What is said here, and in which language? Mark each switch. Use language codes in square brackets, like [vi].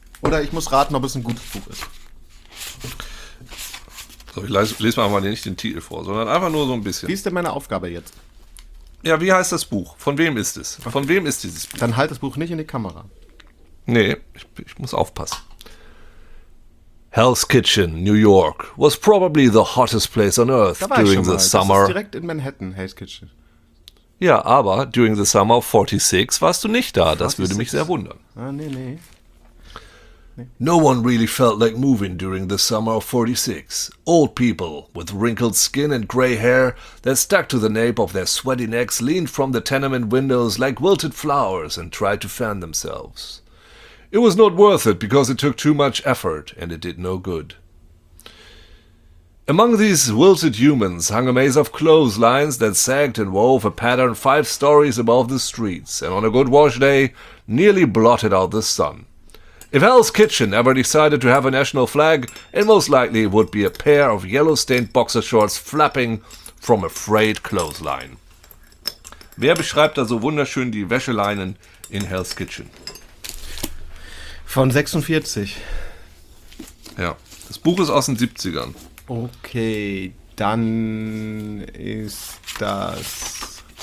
[de] Oder ich muss raten, ob es ein gutes Buch ist. So, ich lese mir einfach mal nicht den Titel vor, sondern einfach nur so ein bisschen. Wie ist denn meine Aufgabe jetzt? Ja, wie heißt das Buch? Von wem ist es? Okay. Von wem ist dieses Buch? Dann halt das Buch nicht in die Kamera. Nee, ich muss aufpassen. [en] Hell's Kitchen, New York, was probably the hottest place on earth during the summer. [de] Das ist direkt in Manhattan, Hell's Kitchen. Ja, aber [en] during the summer of 46 [de] warst du nicht da. Das 46? Würde mich sehr wundern. Ah, nee. [en] No one really felt like moving during the summer of 46. Old people with wrinkled skin and gray hair that stuck to the nape of their sweaty necks leaned from the tenement windows like wilted flowers and tried to fan themselves. It was not worth it because it took too much effort and it did no good. Among these wilted humans hung a maze of clotheslines that sagged and wove a pattern 5 stories above the streets and on a good wash day nearly blotted out the sun. If Hell's Kitchen ever decided to have a national flag, it most likely would be a pair of yellow-stained boxer shorts flapping from a frayed clothesline. [de] Wer beschreibt da so wunderschön die Wäscheleinen in Hell's Kitchen? Von 46. Ja, das Buch ist aus den 70ern. Okay, dann ist das...